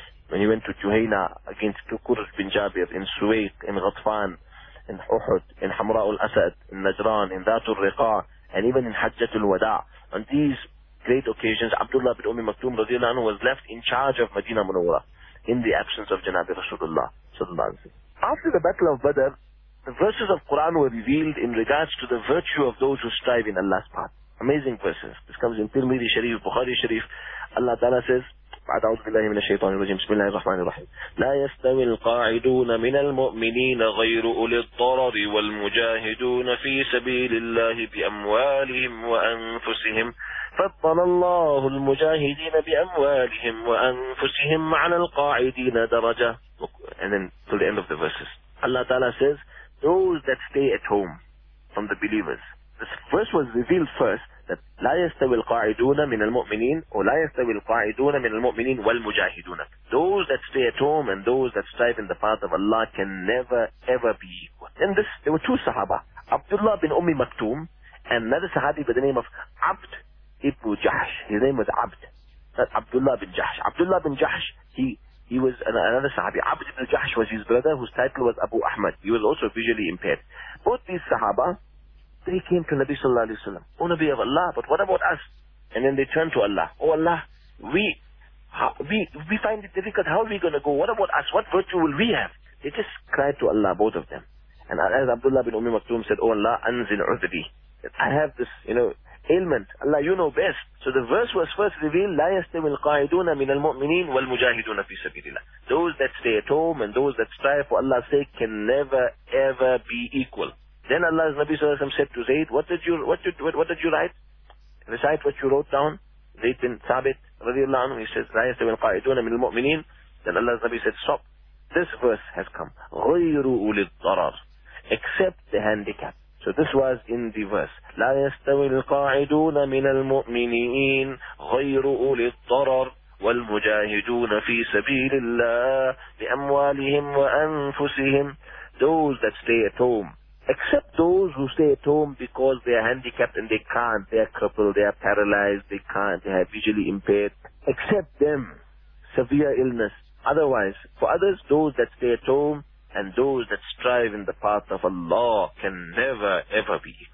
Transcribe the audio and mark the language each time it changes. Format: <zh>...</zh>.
<en>When he went to Juhayna against Qurash bin Jabir in Suwayk, in Ghatfan, in Uhud, in Hamra'ul Asad, in Najran, in Dhatul Riqa', and even in Hajjatul Wada', on these great occasions, Abdullah bin Ummi Maktoum radiallahu anhu was left in charge of Medina Munawwara in the absence of Janabi Rasulullah sallallahu alaihi wasallam. After the Battle of Badr, the verses of Quran were revealed in regards to the virtue of those who strive in Allah's path. Amazing verses. This comes in Tirmidhi Sharif, Bukhari Sharif. Allah Ta'ala says,</en> <ar>بعد أعوذ بالله من الشيطان الرجيم بسم الله الرحمن الرحيم لا يستوي القاعدون من المؤمنين غير أولي الضرر والمجاهدون في سبيل الله بأموالهم وأنفسهم فضل الله المجاهدين بأموالهم وأنفسهم على القاعدين درجة.</ar> <en>And then till the end of the verses, Allah Ta'ala says, those that stay at home from the believers. This verse was revealed first, that</en> <ar>لا يستوي القاعدون من المؤمنين or لا يستوي القاعدون من المؤمنين والمجاهدون.</ar> <en>Those that stay at home and those that strive in the path of Allah can never ever be equal. And this, there were two Sahaba, Abdullah bin Ummi Maktoum and another Sahabi by the name of Abd ibn Jahsh. His name was Abd, not Abdullah bin Jahsh. Abdullah bin Jahsh, he was another Sahabi. Abd ibn Jahsh was his brother, whose title was Abu Ahmad. He was also visually impaired. Both these Sahaba, they came to Nabi sallallahu alayhi wa sallam, O Nabi of Allah, but what about us? And then they turned to Allah, O Allah, we find it difficult. How are we going to go? What about us? What virtue will we have? They just cried to Allah, both of them. And as Abdullah bin Ummi Maktoum said, O Allah,</en> <ar>anzil udhbi.</ar> <en>I have this, you know, ailment. Allah, you know best. So the verse was first revealed,</en> <ar>لا يستوي القاعدون من المؤمنين والمجاهدون في سبيل الله.</ar> <en>Those that stay at home and those that strive for Allah's sake can never ever be equal. Then Allah's Nabi sallallahu alayhi wa sallam said to Zayd, what did you write? Recite what you wrote down. Zayd bin Thabit radiallahu anhu, he says,</en> <ar>لا يستوي القاعدون من المؤمنين.</ar> <en>Then Allah's Nabi said, stop. This verse has come.</en> <ar>غير أولي الضرر.</ar> <en>Except the handicap. So this was in the verse.</en> <ar>لا يستوي القاعدون من المؤمنين غير أولي الضرر والمجاهدون في سبيل الله بأموالهم وأنفسهم.</ar> <en>Those that stay at home. Except those who stay at home because they are handicapped and they can't, they are crippled, they are paralyzed, they can't, they are visually impaired. Except them, severe illness. Otherwise, for others, those that stay at home and those that strive in the path of Allah can never ever be.</en>